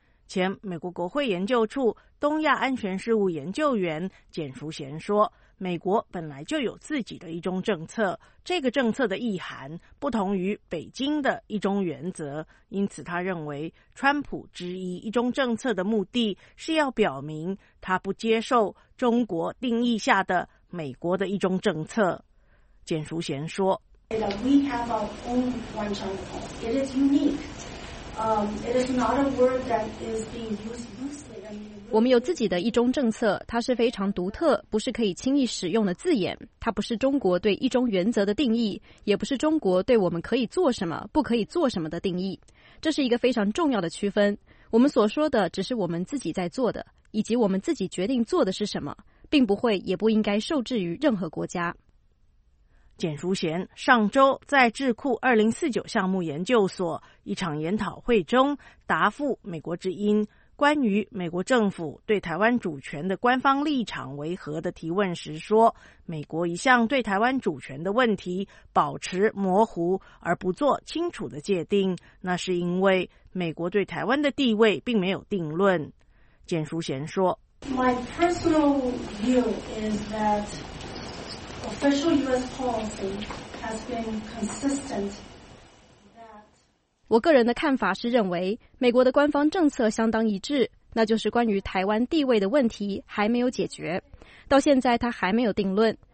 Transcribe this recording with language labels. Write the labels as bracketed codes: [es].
[zh] 前美国国会研究处东亚安全事务研究员简淑贤说，美国本来就有自己的一中政策，这个政策的意涵不同于北京的一中原则，因此他认为川普质疑一中政策的目的是要表明他不接受中国定义下的美国的一中政策。简淑贤说， [en] We have our own one China. It is unique. [zh] 我们有自己的一中政策，它是非常独特，不是可以轻易使用的字眼。它不是中国对一中原则的定义，也不是中国对我们可以做什么、不可以做什么的定义。这是一个非常重要的区分。我们所说的只是我们自己在做的，以及我们自己决定做的是什么，并不会也不应该受制于任何国家。简淑贤上周在智库2049项目研究所一场研讨会中答复美国之音关于美国政府对台湾主权的官方立场为何的提问时说，美国一向对台湾主权的问题保持模糊而不做清楚的界定，那是因为美国对台湾的地位并没有定论。简淑贤说， [en] My personal view is that Official U.S. policy has been consistent. [zh] 我个人的看法是认为美国的官方政策相当一致，那就是关于台湾地位的问题还没有解决，到现在它还没有定论。